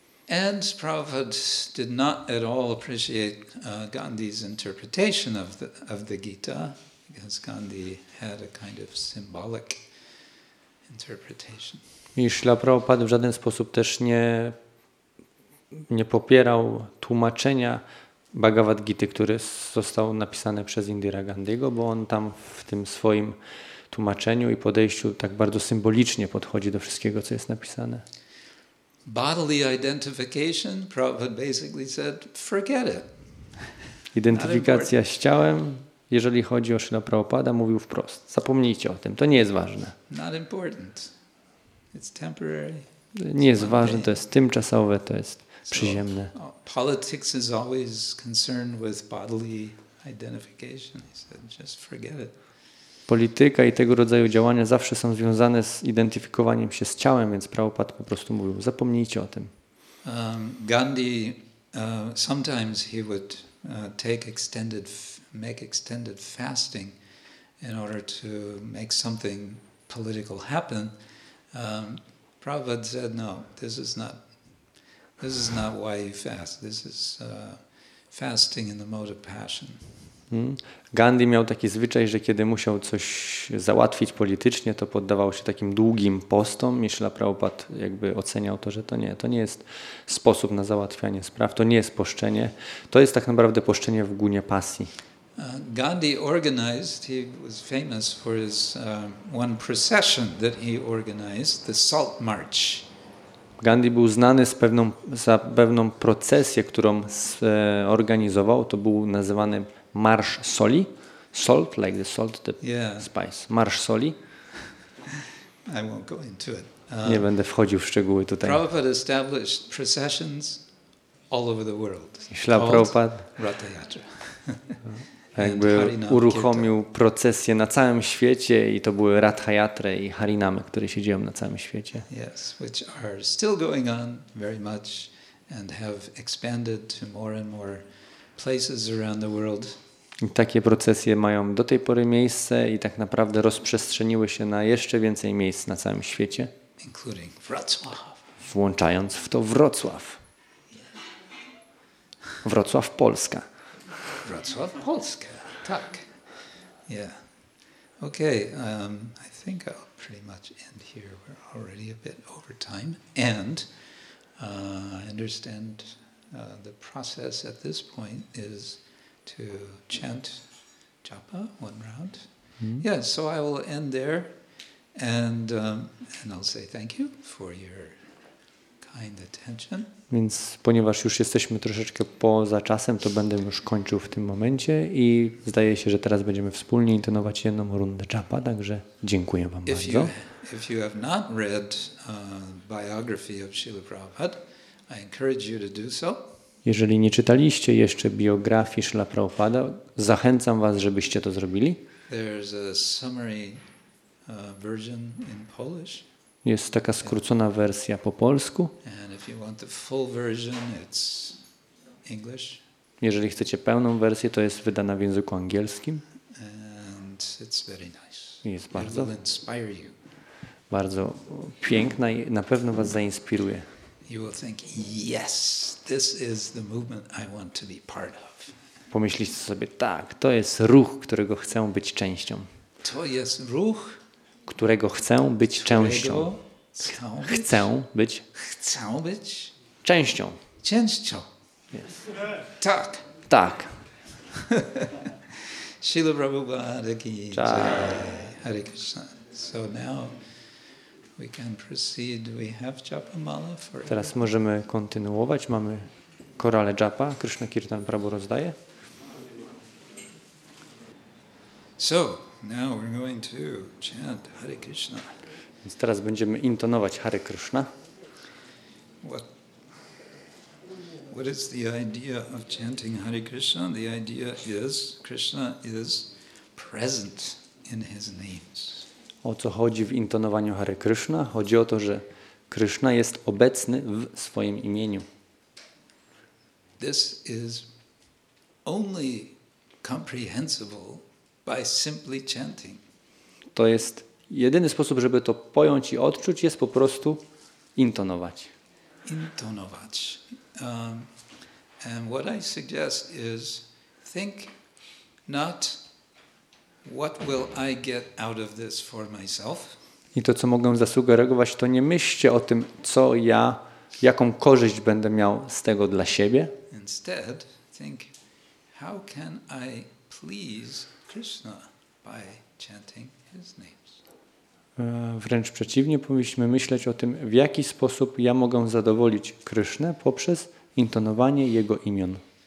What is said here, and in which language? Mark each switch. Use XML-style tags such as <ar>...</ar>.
<en>And Prabhupada did not at all appreciate Gandhi's interpretation of the Gita, because Gandhi had a kind of symbolic interpretation.</en> <pl>I Śrila Prabhupada w żaden sposób też nie popierał tłumaczenia Bhagavad Gita, który został napisany przez Indira Gandhiego, bo on tam w tym swoim tłumaczeniu i podejściu tak bardzo symbolicznie podchodzi do wszystkiego, co jest napisane.</pl> <en>Bodily identification, Prabhupada basically said, forget it.</en> <pl>Identyfikacja z ciałem, jeżeli chodzi o Śrila Prabhupada, mówił wprost, zapomnijcie o tym, to nie jest ważne.</pl> <en>Not important. It's temporary.</en> <pl>Nie jest ważne, to jest tymczasowe, to jest przyziemne.</pl> <en>So, politics is always concerned with bodily identification. He said, just forget it.</en> <pl>Polityka i tego rodzaju działania zawsze są związane z identyfikowaniem się z ciałem, więc Prabhupada po prostu mówił, zapomnijcie o tym.</pl> <en>Gandhi sometimes he would make extended fasting in order to make something political happen. Prabhupada said, no, this is not why you fast. This is fasting in the mode of passion.</en> <pl>Gandhi miał taki zwyczaj, że kiedy musiał coś załatwić politycznie, to poddawał się takim długim postom. Śrila Prabhupada jakby oceniał to, że to nie jest sposób na załatwianie spraw, to nie jest poszczenie. To jest tak naprawdę poszczenie w gunie pasji.</pl> <en>Gandhi organized, he was famous for his one procession that he organized, the Salt March.</en> <pl>Gandhi był znany za pewną procesję, którą organizował. To był nazywany Marsz Soli.</pl> <en>Salt, like the salt, the spice.</en> <pl>Marsz Soli.</pl> <en>I won't go into it.</en> <pl>Nie będę wchodził w szczegóły tutaj.</pl> <en>Prabhupada established processions all over the world.</en> <pl>Śrila Prabhupada</pl> <en>Ratha Yatra.</en> <pl>Jakby uruchomił procesję na całym świecie i to były Ratha Yatra i Harinamy, które się dzieją na całym świecie.</pl> <en>Yes, which are still going on very much and have expanded to more and more places around the world.</en> <pl>I takie procesje mają do tej pory miejsce i tak naprawdę rozprzestrzeniły się na jeszcze więcej miejsc na całym świecie.</pl> <en>Including Wrocław.</en> <pl>Włączając w to Wrocław. Wrocław, Polska. Wrocław, Polska. Tak.</pl> <en>Yeah. Okay. I think I'll pretty much end here. We're already a bit over time. And I understand the process at this point is to chant japa one round. Yeah, so I will end there and I'll say thank you for your comments.</en> <pl>Więc ponieważ już jesteśmy troszeczkę poza czasem, to będę już kończył w tym momencie i zdaje się, że teraz będziemy wspólnie intonować jedną rundę japa, także dziękuję Wam bardzo.</pl> <en>If you have not read biography of Srila Prabhupada, I encourage you to do so.</en> <pl>Jeżeli nie czytaliście jeszcze biografii Srila Prabhupada, zachęcam Was, żebyście to zrobili.</pl> <en>There's a summary version in Polish.</en> <pl>Jest taka skrócona wersja po polsku.</pl> <en>And if you want the full version, it's English.</en> <pl>Jeżeli chcecie pełną wersję, to jest wydana w języku angielskim.</pl> <en>And it's very nice.</en> <pl>Jest bardzo.</pl> <en>It will inspire you.</en> <pl>Bardzo piękna i na pewno Was zainspiruje.</pl> <en>You will think, yes, this is the movement I want to be part of.</en> <pl>Pomyślicie sobie, tak, to jest ruch, którego chcę być częścią. To jest ruch, którego chcę być częścią. Chcę być. Chcę być. Częścią. Częścią.</pl> <en>Yes.</en> <pl>Tak. Tak.</pl> <hi>Śrīla Prabhupāda ki jai. Hare Krishna.</hi> <en>So now we can proceed. We have japa mala for.</en> <pl>Teraz możemy kontynuować. Mamy korale japa. Krishna Kirtan Prabhu rozdaje.</pl> <en>So. Now we're going to chant Hare Krishna.</en> <pl>Więc teraz będziemy intonować Hare Krishna.</pl> <en>What is the idea of chanting Hare Krishna? The idea is Krishna is present in his names.</en> <pl>O co chodzi w intonowaniu Hare Krishna? Chodzi o to, że Krishna jest obecny w swoim imieniu.</pl> <en>This is only comprehensible by simply chanting.</en> <pl>To jest jedyny sposób, żeby to pojąć i odczuć, jest po prostu intonować. Intonować.</pl> <en>And what I suggest is think not what will I get out of this for myself.</en> <pl>I to, co mogę zasugerować, to nie myślcie o tym, co ja, jaką korzyść będę miał z tego dla siebie.</pl> <en>Instead, think how can I please Krishna by chanting his names.</en> <pl>Wręcz przeciwnie, powinniśmy myśleć o tym, w jaki sposób ja mogę zadowolić Krishnę poprzez intonowanie jego imion.</pl>